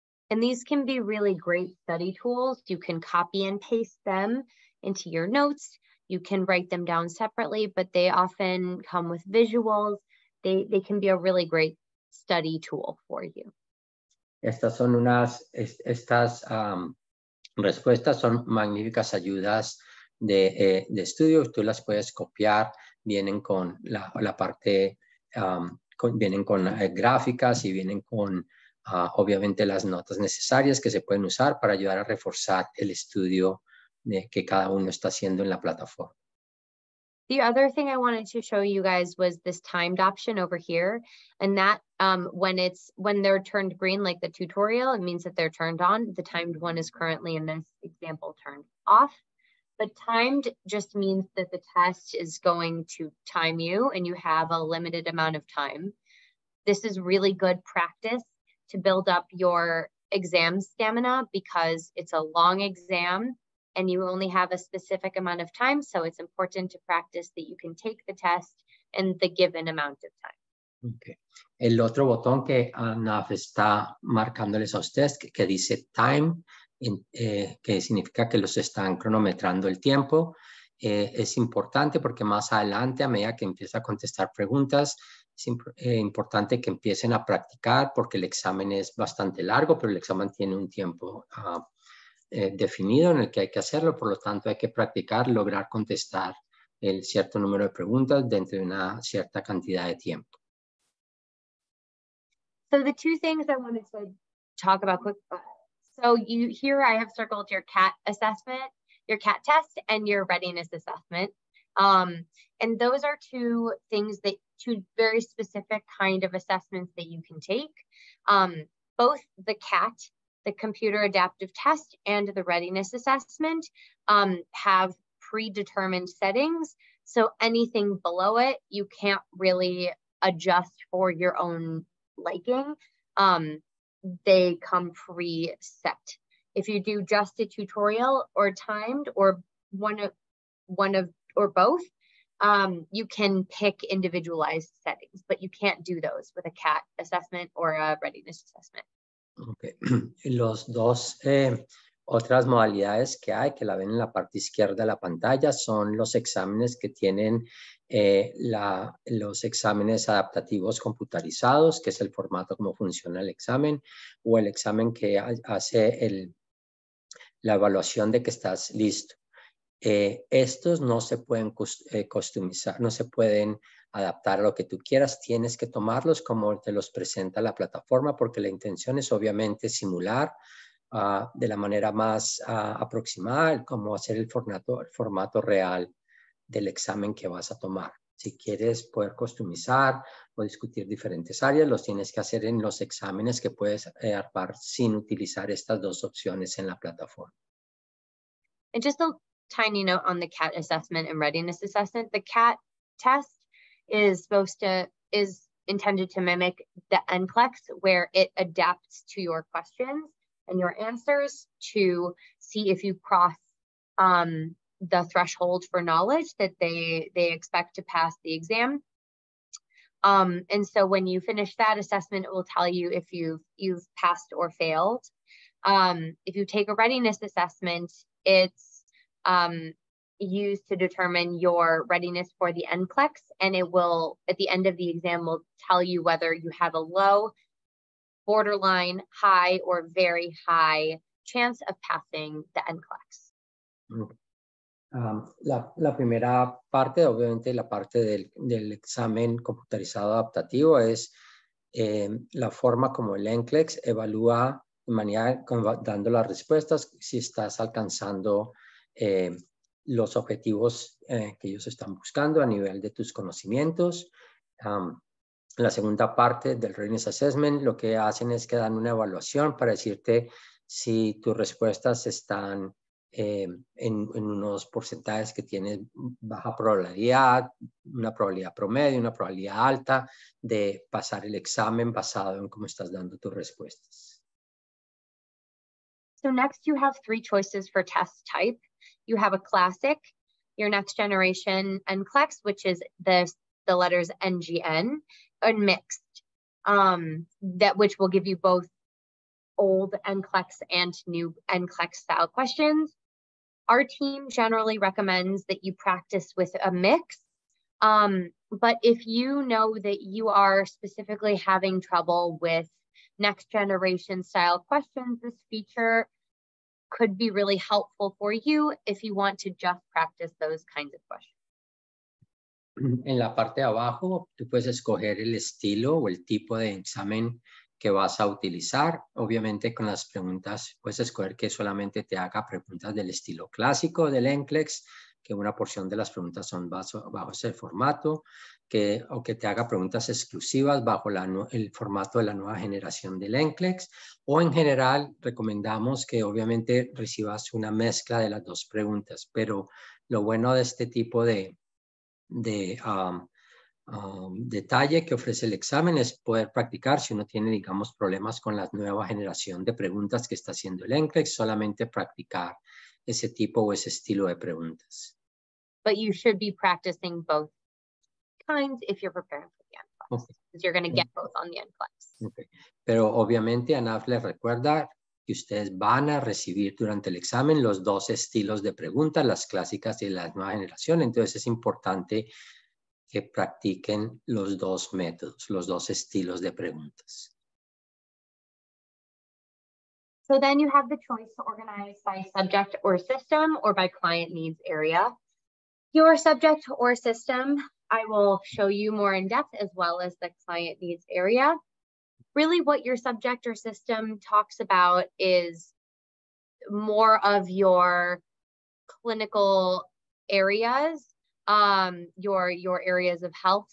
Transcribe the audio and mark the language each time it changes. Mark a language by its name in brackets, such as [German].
[English] And these can be really great study tools. You can copy and paste them into your notes. You can write them down separately, but they often come with visuals. They can be a really great study tool for you. [Spanish] Estas son unas, estas respuestas son magníficas ayudas de estudio. Tú las puedes copiar. Vienen con la parte, vienen con gráficas y vienen con obviamente las notas necesarias que se pueden usar para ayudar a reforzar el estudio que cada uno está haciendo en la plataforma. [English] The other thing I wanted to show you guys was this timed option over here. And that when they're turned green, like the tutorial, it means that they're turned on. The timed one is currently in this example turned off. But timed just means that the test is going to time you and you have a limited amount of time. This is really good practice to build up your exam stamina because it's a long exam and you only have a specific amount of time. So it's important to practice that you can take the test in the given amount of time. Okay. [Spanish] El otro botón que Anaf está marcándoles a ustedes que dice time, que significa que los están cronometrando el tiempo, es importante porque más adelante, a medida que empieza a contestar preguntas, es importante que empiecen a practicar porque el examen es bastante largo, pero el examen tiene un tiempo definido en el que hay que hacerlo. Por lo tanto, hay que practicar, lograr contestar el cierto número de preguntas dentro de una cierta cantidad de tiempo. [English] So the two things I wanted to talk about quick. So you here I have circled your CAT assessment, your CAT test, and your readiness assessment. And those are two things that two very specific kind of assessments that you can take. Both the CAT, the computer adaptive test, and the readiness assessment have predetermined settings. So anything below it, you can't really adjust for your own liking. They come preset. If you do just a tutorial or timed or one of or both, you can pick individualized settings, but you can't do those with a CAT assessment or a readiness assessment. Okay. [Spanish] Los dos otras modalidades que hay, que la ven en la parte izquierda de la pantalla, son los exámenes que tienen los exámenes adaptativos computarizados, que es el formato como funciona el examen, o el examen que hace la evaluación de que estás listo. Estos no se pueden customizar, no se pueden adaptar a lo que tú quieras, tienes que tomarlos como te los presenta la plataforma, porque la intención es obviamente simular de la manera más aproximada cómo hacer el formato real del examen que vas a tomar. Si quieres poder customizar o discutir diferentes áreas, los tienes que hacer en los exámenes que puedes armar sin utilizar estas dos opciones en la plataforma. [English] And just a tiny note on the CAT assessment and readiness assessment. The CAT test is intended to mimic the NCLEX, where it adapts to your questions and your answers to see if you cross the threshold for knowledge that they expect to pass the exam. And so when you finish that assessment, it will tell you if you've passed or failed. If you take a readiness assessment, it's used to determine your readiness for the NCLEX, and it will, at the end of the exam, will tell you whether you have a low, borderline, high, or very high chance of passing the NCLEX. [Spanish] La primera parte, obviamente, la parte del examen computarizado adaptativo es la forma como el NCLEX evalúa de manera, dando las respuestas, si estás alcanzando los objetivos que ellos están buscando a nivel de tus conocimientos. La segunda parte del readiness assessment, lo que hacen es que dan una evaluación para decirte si tus respuestas están en unos porcentajes que tienes baja probabilidad, una probabilidad promedio, una probabilidad alta de pasar el examen basado en cómo estás dando tus respuestas. [English] So next you have three choices for test type. You have a classic, your next generation NCLEX, which is the letters NGN, and mixed, which will give you both old NCLEX and new NCLEX style questions. Our team generally recommends that you practice with a mix. But if you know that you are specifically having trouble with next generation style questions, this feature could be really helpful for you if you want to just practice those kinds of questions. [Spanish] En la parte de abajo, tú puedes escoger el estilo o el tipo de examen que vas a utilizar. Obviamente, con las preguntas, puedes escoger que solamente te haga preguntas del estilo clásico del NCLEX, que una porción de las preguntas son bajo ese formato, o que te haga preguntas exclusivas bajo el formato de la nueva generación del NCLEX, o en general recomendamos que obviamente recibas una mezcla de las dos preguntas, pero lo bueno de este tipo detalle que ofrece el examen es poder practicar si uno tiene, digamos, problemas con la nueva generación de preguntas que está haciendo el NCLEX, solamente practicar ese tipo o ese estilo de preguntas. [English] But you should be practicing both kinds if you're preparing for the NCLEX, because you're going to get both on the NCLEX. Okay. [Spanish] Pero obviamente ANAF les recuerda que ustedes van a recibir durante el examen los dos estilos de preguntas, las clásicas y la nueva generación. Entonces es importante que practiquen los dos métodos, los dos estilos de preguntas. [English] So then you have the choice to organize by subject or system or by client needs area. Your subject or system, I will show you more in depth, as well as the client needs area. Really what your subject or system talks about is more of your clinical areas, your areas of health.